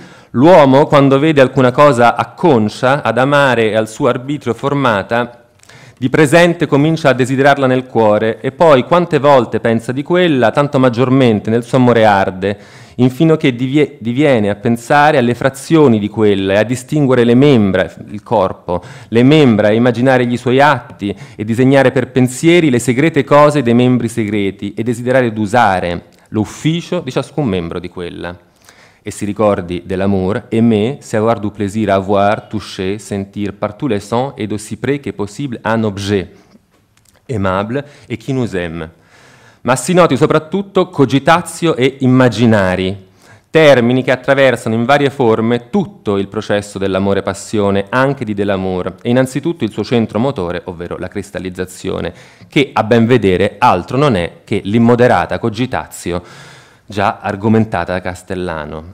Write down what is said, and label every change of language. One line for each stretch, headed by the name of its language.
Italian: L'uomo, quando vede alcuna cosa acconcia ad amare e al suo arbitrio formata, di presente comincia a desiderarla nel cuore, e poi quante volte pensa di quella, tanto maggiormente nel suo amore arde, infino che diviene a pensare alle frazioni di quella e a distinguere le membra, il corpo, le membra, a immaginare gli suoi atti e disegnare per pensieri le segrete cose dei membri segreti e desiderare d'usare l'ufficio di ciascun membro di quella. E si ricordi
French: dell'amour, aimer, savoir du plaisir, avoir, toucher, sentir partout les sens et d'aussi près que possible un objet aimable et qui nous aime.
Italian: Ma si noti soprattutto cogitatio e immaginari, termini che attraversano in varie forme tutto il processo dell'amore-passione, anche di dell'amour, e innanzitutto il suo centro motore, ovvero la cristallizzazione, che a ben vedere altro non è che l'immoderata cogitatio già argomentata da Castellano.